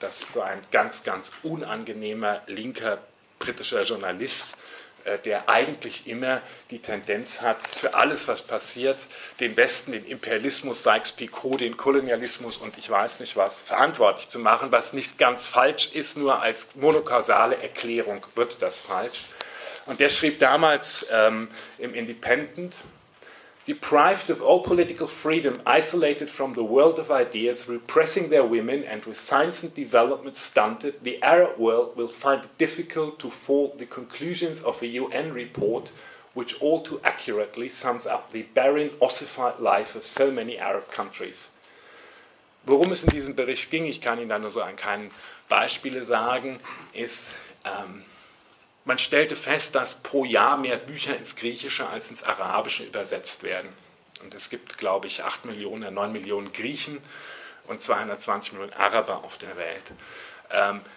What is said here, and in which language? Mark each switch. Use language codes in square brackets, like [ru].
[de] Das ist so ein ganz, ganz unangenehmer linker britischer Journalist, der eigentlich immer die Tendenz hat, für alles, was passiert, den Westen, den Imperialismus, Sykes-Picot, den Kolonialismus und ich weiß nicht was, verantwortlich zu machen, was nicht ganz falsch ist, nur als monokausale Erklärung wird das falsch. [en] Und der schrieb damals im Independent: Deprived of all political freedom, isolated from the world of ideas, repressing their women and with science and development stunted, the Arab world will find it difficult to fault the conclusions of a UN report which all too accurately sums up the barren, ossified life of so many Arab countries. [de] Worum es in diesem Bericht ging, ich kann Ihnen da nur so ein paar Beispiele sagen, ist, man stellte fest, dass pro Jahr mehr Bücher ins Griechische als ins Arabische übersetzt werden. Und es gibt, glaube ich, 8 Millionen, 9 Millionen Griechen und 220 Millionen Araber auf der Welt.